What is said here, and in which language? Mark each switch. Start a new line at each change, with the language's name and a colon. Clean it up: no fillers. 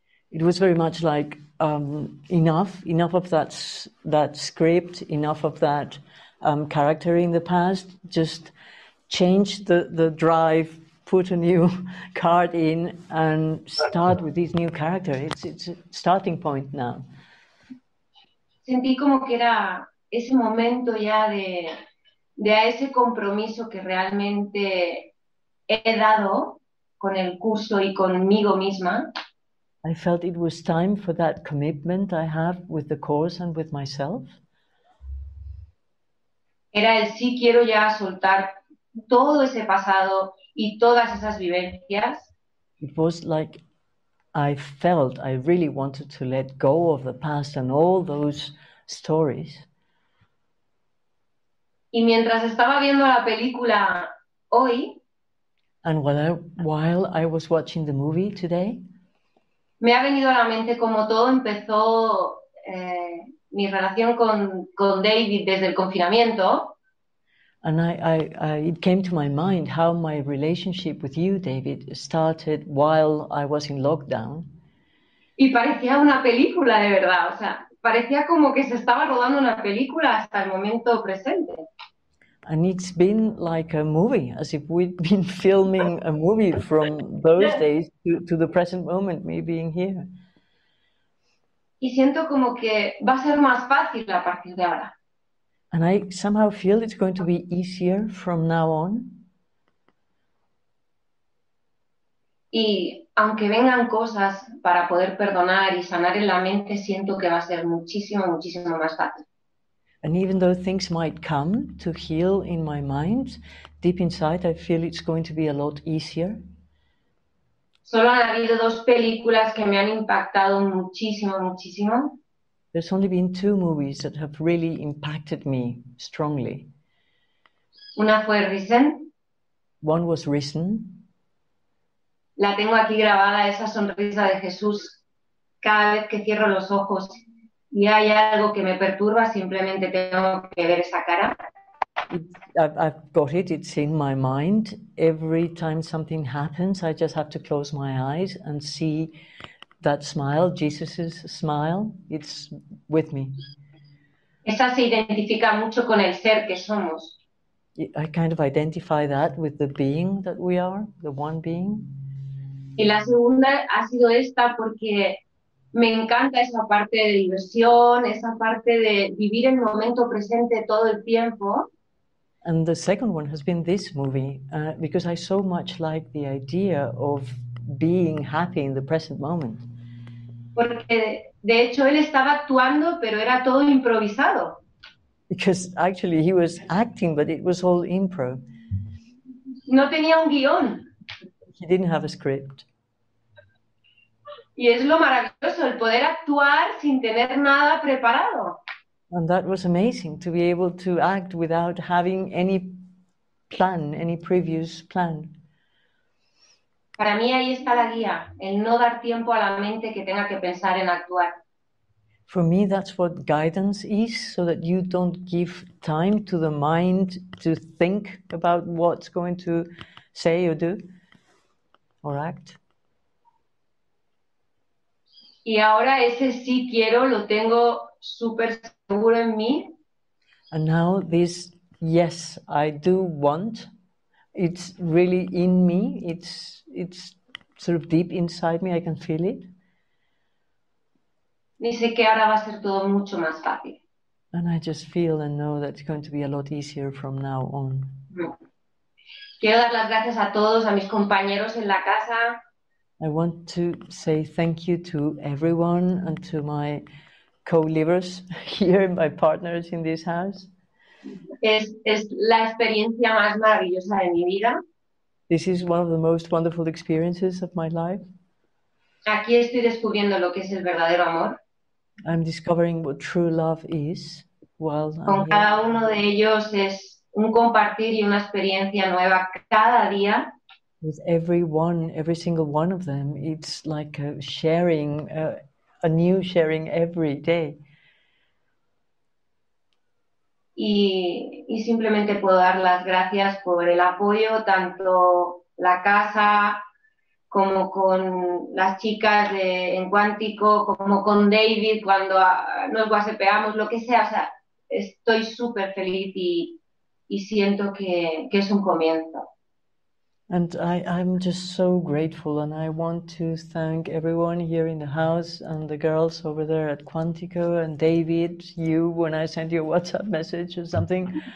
English: It was very much like enough of that script, enough of that character in the past. Just change the drive, put a new card in and start with this new character. It's a starting point now.
Spanish: Sentí como que era ese momento ya de a ese compromiso que realmente he dado con el curso y conmigo misma.
English: I felt it was time for that commitment I have with the course and with myself.
Spanish: Era el sí quiero ya soltar todo ese pasado y todas esas vivencias.
English: It was like I felt I really wanted to let go of the past and all those stories.
Spanish: Y mientras estaba viendo la película hoy,
English: and while I was watching the movie today,
Spanish: me ha venido a la mente cómo todo empezó mi relación con David desde el confinamiento.
English: And I it came to my mind how my relationship with you, David, started while I was in lockdown.
Spanish: Y parecía una película de verdad, o sea, parecía como que se estaba rodando una película hasta el momento presente.
English: And it's been like a movie, as if we'd been filming a movie from those days to the present moment, me being here.
Spanish: Y siento como que va a ser más fácil a partir de ahora.
English: And I somehow feel it's going to be easier from now on.
Spanish: Y aunque vengan cosas para poder perdonar y sanar en la mente, siento que va a ser muchísimo, muchísimo más fácil.
English: And even though things might come to heal in my mind, deep inside I feel it's going to be a lot easier.
Spanish: Solo han habido dos películas que me han impactado muchísimo, muchísimo.
English: There's only been two movies that have really impacted me strongly.
Spanish: Una fue Risen.
English: One was Risen.
Spanish: La tengo aquí grabada, esa sonrisa de Jesús, cada vez que cierro los ojos. Y hay algo que me perturba, simplemente tengo que ver esa cara.
English: I've got it, it's in my mind. Every time something happens, I just have to close my eyes and see that smile, Jesus's smile, it's with me.
Spanish: Esa se identifica mucho con el ser que somos.
English: I kind of identify that with the being that we are, the one being.
Spanish: Y la segunda ha sido esta porque me encanta esa parte de diversión, esa parte de vivir el momento presente todo el tiempo.
English: And the second one has been this movie, because I so much like the idea of being happy in the present moment.
Spanish: Porque de hecho él estaba actuando, pero era todo improvisado.
English: Because actually he was acting, but it was all impro.
Spanish: No tenía un guión.
English: He didn't have a script.
Spanish: Y es lo maravilloso, el poder actuar sin tener nada preparado.
English: And that was amazing, to be able to act without having any plan, any previous plan.
Spanish: Para mí ahí está la guía, el no dar tiempo a la mente que tenga que pensar en actuar.
English: For me, that's what guidance is, so that you don't give time to the mind to think about what's going to say or do or act.
Spanish: Y ahora ese sí quiero, lo tengo súper seguro en mí.
English: And now this yes, I do want, it's really in me, it's sort of deep inside me, I can feel it.
Spanish: Dice que ahora va a ser todo mucho más fácil.
English: And I just feel and know that it's going to be a lot easier from now on.
Spanish: Quiero dar las gracias a todos, a mis compañeros en la casa.
English: I want to say thank you to everyone and to my co-livers here, my partners in this house.
Spanish: Es la experiencia más maravillosa de mi vida.
English: This is one of the most wonderful experiences of my life.
Spanish: Aquí estoy descubriendo lo que es el verdadero amor.
English: I'm discovering what true love is while I'm here.
Spanish: Cada uno de ellos es un compartir y una experiencia nueva cada día.
English: With everyone, every single one of them, it's like a sharing, a new sharing every day.
Spanish: Y simplemente puedo dar las gracias por el apoyo, tanto la casa, como con las chicas de En Cuántico, como con David cuando nos whatsappeamos, lo que sea. O sea, estoy súper feliz y siento que es un comienzo.
English: And I'm just so grateful, and I want to thank everyone here in the house and the girls over there at Quantico and David, you, when I send you a WhatsApp message or something.